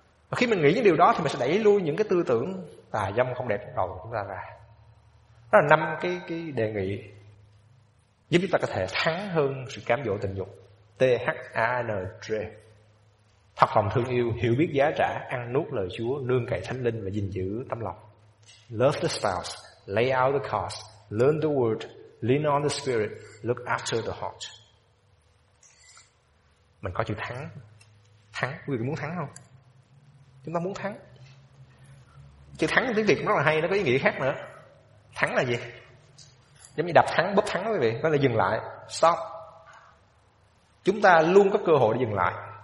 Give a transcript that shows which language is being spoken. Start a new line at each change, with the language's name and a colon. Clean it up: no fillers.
Vietnamese: Và khi mình nghĩ những điều đó thì mình sẽ đẩy lui những cái tư tưởng tà dâm không đẹp trong đầu chúng ta ra. Đó là năm cái đề nghị giúp chúng ta có thể thắng hơn sự cám dỗ tình dục. THANDRE. Thật lòng thương yêu, hiểu biết giá trả, ăn nuốt lời Chúa, nương cậy Thánh Linh và gìn giữ tâm lòng.
English: Love the spouse, lay out the cause, learn the word, lean on the spirit, look after the heart.
Vietnamese: Mình có chữ thắng. Thắng, quý vị muốn thắng không? Chúng ta muốn thắng. Chữ thắng trong tiếng Việt cũng rất là hay, nó có ý nghĩa khác nữa. Thắng là gì? Giống như đập thắng, bóp thắng đó quý vị, có là dừng lại, stop. Chúng ta luôn có cơ hội để dừng lại.